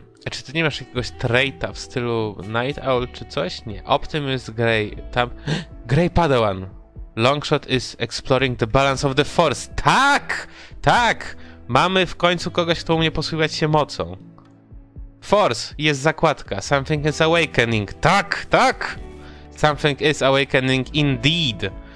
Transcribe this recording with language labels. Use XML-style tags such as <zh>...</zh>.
<pl>Czy ty nie masz jakiegoś traita w stylu Night Owl czy coś? Nie. Optimist Grey. Tam. Grey Padawan.</pl> <en>Longshot is exploring the balance of the force.</en> <pl>Tak! Tak! Mamy w końcu kogoś, kto umie posługiwać się mocą. Force, jest zakładka.</pl> <en>Something is awakening.</en> <pl>Tak, tak!</pl> <en>Something is awakening indeed.</en>